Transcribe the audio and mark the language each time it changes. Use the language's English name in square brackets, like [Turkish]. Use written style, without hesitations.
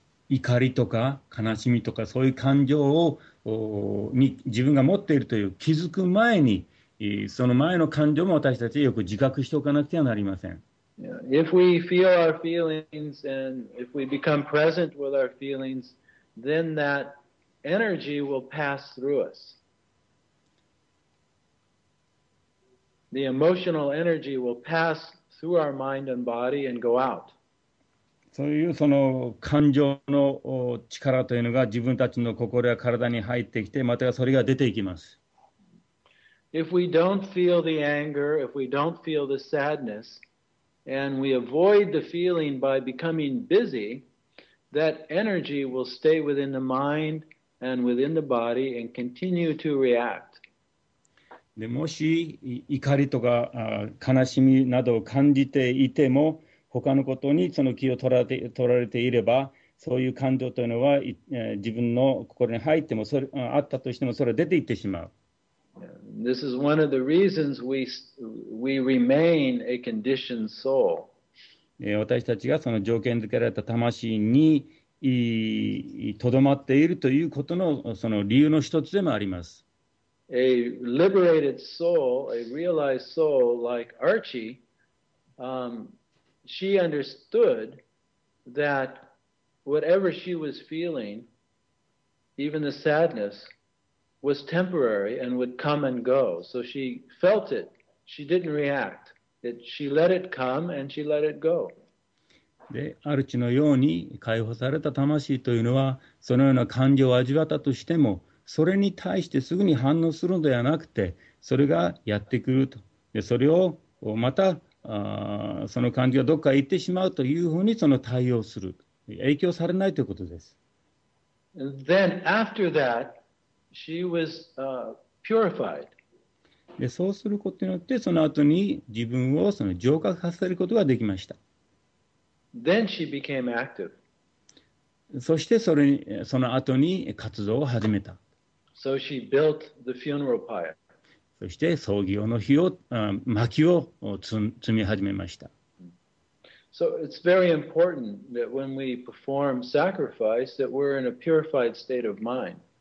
[Japanese] 怒りとか悲しみとかそういう感情をに自分が持っているという気づく前に、その前の感情も私たちよく自覚しておかなくてはなりません。 [English] If we feel our feelings and if we become present with our feelings, then that energy will pass through us. The emotional energy will pass through our mind and body and go out. [Japanese] そういうその感情の力というのが自分たちの心や体に入ってきて、またそれが出ていきます。 [English] If we don't feel the anger, if we don't feel the sadness,And we avoid the feeling by becoming busy, that energy will stay within the mind and within the body and continue to react. [Japanese] でもし怒りとか悲しみなどを感じていても、他のことにその気を取られていれば、そういう感情というのは自分の心に入ってもそれあったとしてもそれは出ていってしまう。 [English] This is one of the reasons we remain a conditioned soul. [Japanese] 私たちがその条件付けられた魂にとどまっているということのその理由の一つでもあります。 [English] A liberated soul, a realized soul like Archie, she understood that whatever she was feeling, even the sadness,was temporary and would come and go. So she felt it. She didn't react. She let it come and she let it go. [Japanese] で、アルチのように解放された魂というのは、そのような感情を味わったとしても、それに対してすぐに反応するのではなくて、それがやってくると。で、それをまた、その感情がどっかへ行ってしまうというふうにその対応する。影響されないということです。 [English] And then after that,She was purified. [Japanese] で、そうすることによって、その後に自分をその浄化させることができました。 [English] Then she became active. [Japanese] そしてそれに、その後に活動を始めた。 [English] So she built the funeral pyre. [Japanese] そして葬儀用の火を、薪を積み始めました。 [English] So it's very important that when we perform sacrifice, that we're in a purified state of mind.